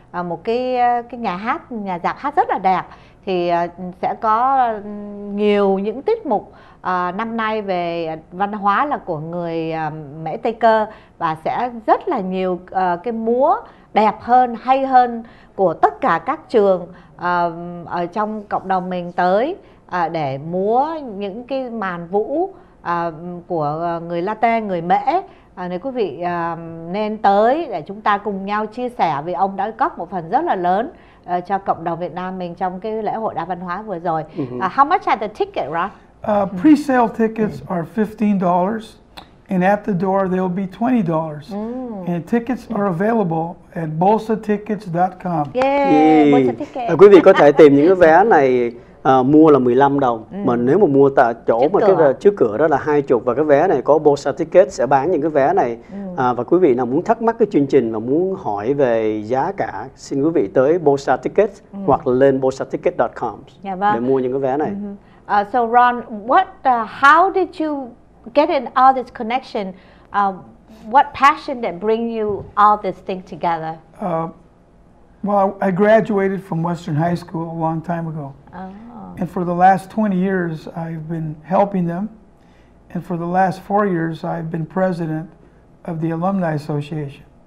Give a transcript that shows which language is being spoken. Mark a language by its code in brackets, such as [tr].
[vi] một cái nhà hát, nhà rạp hát rất là đẹp. Thì sẽ có nhiều những tiết mục năm nay về văn hóa là của người Mễ Tây Cơ, và sẽ rất là nhiều cái múa đẹp hơn, hay hơn của tất cả các trường ở trong cộng đồng mình tới để múa những cái màn vũ của người Latê, người Mễ. Nếu quý vị nên tới để chúng ta cùng nhau chia sẻ, vì ông đã góp một phần rất là lớn cho cộng đồng Việt Nam mình trong cái lễ hội đa văn hóa vừa rồi. [en] How much are the tickets, Ron? Pre-sale tickets are $15, and at the door they'll be $20. And tickets are available at bolsatickets.com. Yeah, Bolsa Tickets. [vi] Quý vị có thể tìm những cái vé này mua là 15 đồng, mà nếu mà mua tại chỗ trước mà cửa. Cái trước cửa đó là 20, và cái vé này có Bolsa Tickets sẽ bán những cái vé này. Và quý vị nào muốn thắc mắc cái chương trình và muốn hỏi về giá cả, xin quý vị tới Bolsa Tickets hoặc lên bolsaticket.com để mua những cái vé này. [en] So Ron, how did you get in all this connection? What passion that bring you all this thing together? I graduated from Western High School a long time ago. Oh. And for the last 20 years, I've been helping them. And for the last 4 years, I've been president of the Alumni Association.